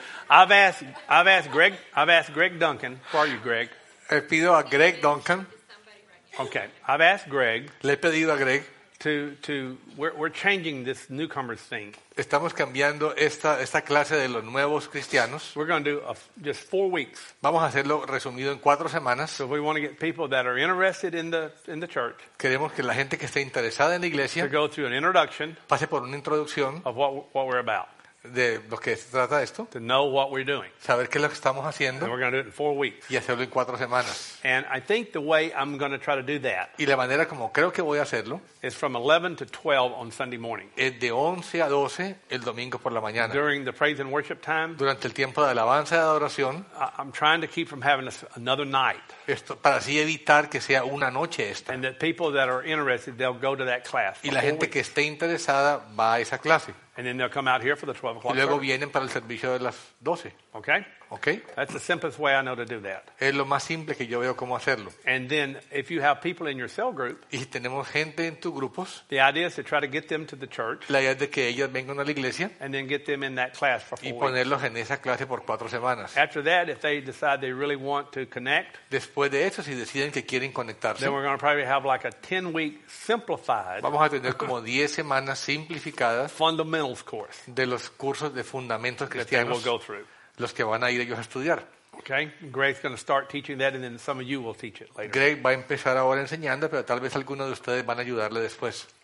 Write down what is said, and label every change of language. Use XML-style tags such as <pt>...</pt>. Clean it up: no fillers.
<en>I've asked Greg Duncan. Who are you, Greg?</en> <es>He pido a Greg Duncan.</es> <en>Okay. I've asked Greg.</en> <es>Le he pedido a Greg.</es> <en>We're changing this newcomers thing.</en> <es>Estamos cambiando esta clase de los nuevos cristianos.</es> <en>We're going to do just 4 weeks.</en> <es>Vamos a hacerlo resumido en 4 semanas.</es> <en>So we want to get people that are interested in the church.</en> <es>Queremos que la gente que esté interesada en la iglesia</es> <en>to go through an introduction</en> <es>pase por una introducción</es> <en>of what we're about.</en> <es>De lo que se trata esto.</es> <en>To know what we're doing.</en> <es>Saber qué es lo que estamos haciendo.</es> <en>And we're going to do it in 4 weeks.</en> <es>Y hacerlo en 4 semanas.</es> <en>And I think the way I'm going to try to do that.</en> <es>Y la manera como creo que voy a hacerlo.</es> <en>Is from 11 to 12 on Sunday morning.</en> <es>Es de 11 a 12 el domingo por la mañana.</es> <en>During the praise and worship time.</en> <es>Durante el tiempo de alabanza y adoración.</es> <en>I'm trying to keep from having another night.</en> <es>Esto, para así evitar que sea una noche esta.</es> <en>And that people that are interested, they'll go to that class.</en> <es>Y la gente</es> <en>weeks.</en> <es>Que esté interesada va a esa clase.</es> <en>And then they'll come out here for the 12 o'clock</en> <es>y luego</es> <en>service.</en> <es>Vienen para el servicio de las 12.</es> <en>Okay. Okay. That's the simplest way I know to do that.</en> <es>Es lo más simple que yo veo cómo hacerlo.</es> <en>And then if you have people in your cell group,</en> <es>y si tenemos gente en tus grupos,</es> <en>the idea is to try to get them to the church.</en> <es>La idea es de que ellas vengan a la iglesia.</es> <en>And then get them in that class for 4 weeks.</en> <es>Y ponerlos en esa clase por 4 semanas.</es> <en>After that, if they decide they really want to connect,</en> <es>después de eso, si deciden que quieren conectarse,</es> <en>then we're going to probably have like a 10-week simplified.</en> <es>Vamos a tener como 10 semanas simplificadas.</es> <en>Fundamentals course.</en> <es>De los cursos de fundamentos cristianos.</es> <en>That they will go through.</en> <es>Los que van a ir ellos a estudiar.</es> <en>Okay, Greg's going to start teaching that, and then some of you will teach it later.</en> <es>Greg va a empezar ahora enseñando, pero tal vez algunos de ustedes van a ayudarle después.</es>